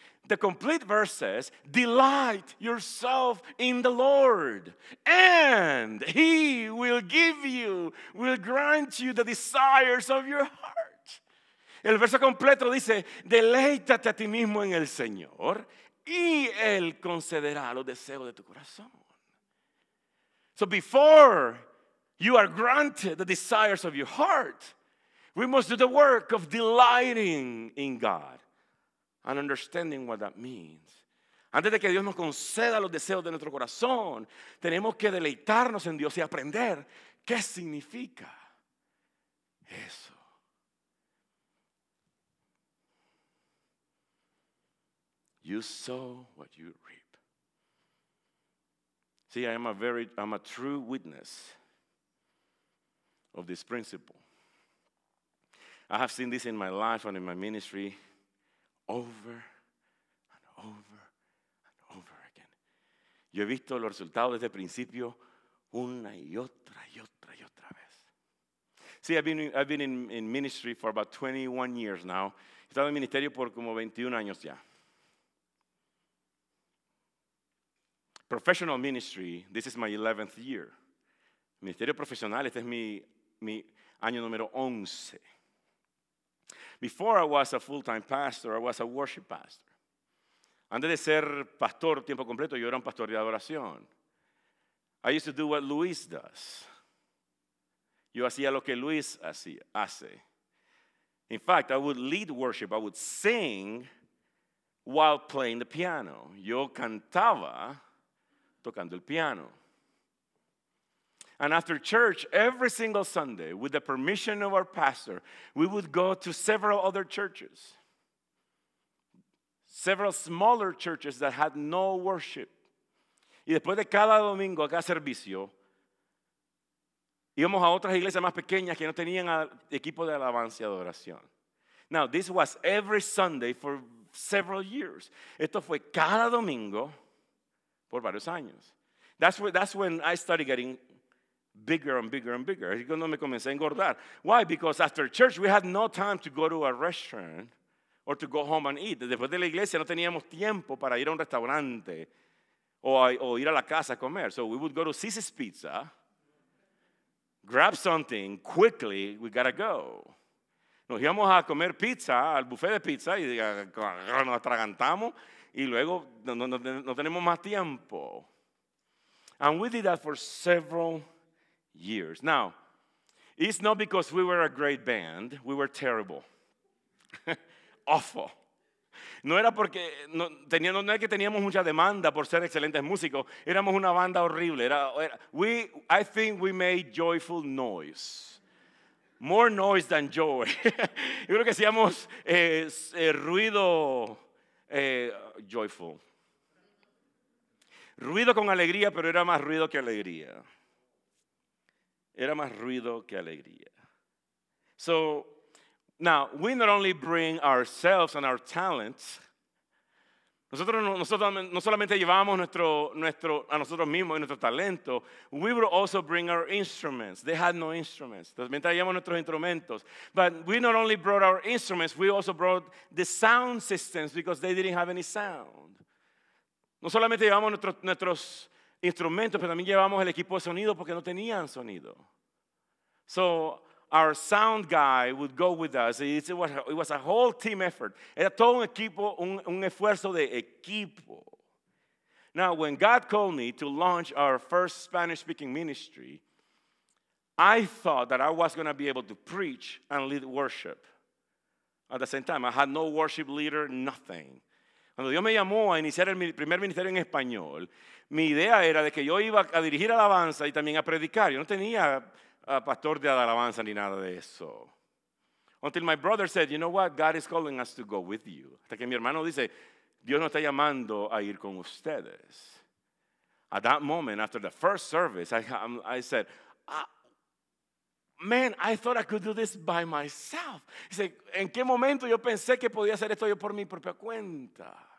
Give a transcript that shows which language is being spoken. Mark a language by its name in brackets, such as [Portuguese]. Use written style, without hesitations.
[English] The complete verse says, delight yourself in the Lord, and He will give you, will grant you the desires of your heart. [Spanish] El verso completo dice, deleítate a ti mismo en el Señor, y Él concederá los deseos de tu corazón. [English] So before you are granted the desires of your heart, we must do the work of delighting in God. And understanding what that means. [Spanish] Antes de que Dios nos conceda los deseos de nuestro corazón, tenemos que deleitarnos en Dios y aprender qué significa eso. [English] You sow what you reap. See, I'm a true witness of this principle. I have seen this in my life and in my ministry over and over and over again. [Spanish] Yo he visto los resultados desde el principio una y otra y otra y otra vez. [English] See, I've been in ministry for about 21 years now. [Spanish] He estado en ministerio por como 21 años ya. [English] Professional ministry, this is my 11th year. [Spanish] Ministerio profesional, este es mi año número 11. [English] Before I was a full-time pastor, I was a worship pastor. [Spanish] Antes de ser pastor tiempo completo, yo era un pastor de adoración. [English] I used to do what Luis does. [Spanish] Yo hacía lo que Luis hace. [English] In fact, I would lead worship. I would sing while playing the piano. [Spanish] Yo cantaba tocando el piano. [English] And after church, every single Sunday, with the permission of our pastor, we would go to several other churches. Several smaller churches that had no worship. [Spanish] Y después de cada domingo, cada servicio, íbamos a otras iglesias más pequeñas que no tenían equipo de alabanza y adoración. [English] Now, this was every Sunday for several years. [Spanish] Esto fue cada domingo por varios años. [English] That's when I started getting bigger and bigger and bigger. [Spanish] Es cuando me comencé a engordar. [English] Why? Because after church, we had no time to go to a restaurant or to go home and eat. [Spanish] Después de la iglesia, no teníamos tiempo para ir a un restaurante o ir a la casa a comer. [English] So we would go to Cici's Pizza, grab something quickly, we gotta go. [Spanish] Nos íbamos a comer pizza, al buffet de pizza, y nos atragantamos, y luego no tenemos más tiempo. [English] And we did that for several years. Now, it's not because we were a great band, we were terrible. Awful. [Spanish] No era porque no era que teníamos mucha demanda por ser excelentes músicos. Éramos una banda horrible. [English] I think we made joyful noise. More noise than joy. [Spanish] Yo creo que hacíamos ruido joyful. Ruido con alegría, pero era más ruido que alegría. Era más ruido que alegría. [English] So, now, we not only bring ourselves and our talents. [Spanish] Nosotros no solamente llevamos a nosotros mismos y nuestro talento. [English] We would also bring our instruments. They had no instruments. [Spanish] También traíamos nuestros instrumentos. [English] But we not only brought our instruments, we also brought the sound systems because they didn't have any sound. [Spanish] No solamente llevamos nuestros instrumentos, pero también llevamos el equipo de sonido porque no tenían sonido. [English] So our sound guy would go with us. It was a whole team effort. Era todo un equipo, un esfuerzo de equipo. Now, when God called me to launch our first Spanish-speaking ministry, I thought that I was going to be able to preach and lead worship. At the same time, I had no worship leader, nothing. [Spanish] Cuando Dios me llamó a iniciar el primer ministerio en español, mi idea era de que yo iba a dirigir alabanza y también a predicar. Yo no tenía a pastor de alabanza ni nada de eso. [English] Until my brother said, you know what, God is calling us to go with you. [Spanish] Hasta que mi hermano dice, Dios nos está llamando a ir con ustedes. [English] At that moment, after the first service, I said, man, I thought I could do this by myself. [Spanish] Dice, ¿en qué momento yo pensé que podía hacer esto yo por mi propia cuenta?